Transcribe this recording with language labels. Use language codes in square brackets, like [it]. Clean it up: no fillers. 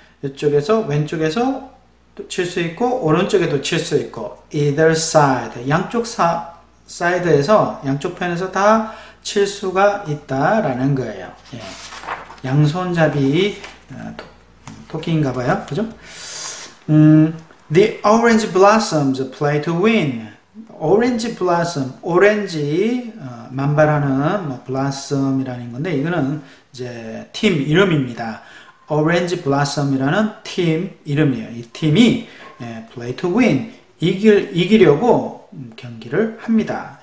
[ko] 이쪽에서, 왼쪽에서 칠 수 있고, 오른쪽에도 칠 수 있고, [en] either side. [ko] 양쪽 사이드에서, 양쪽 편에서 다 칠 수가 있다라는 거예요. 예. 양손잡이 토끼인가봐요. 그죠? [en] The orange blossoms play to win. Orange blossom. [ko] 오렌지, 만발하는, 뭐, blossom 이라는 건데, 이거는, 이제 팀 이름입니다. Orange Blossom이라는 팀 이름이에요. 이 팀이 예, [en] Play to Win [ko] 이기려고 경기를 합니다.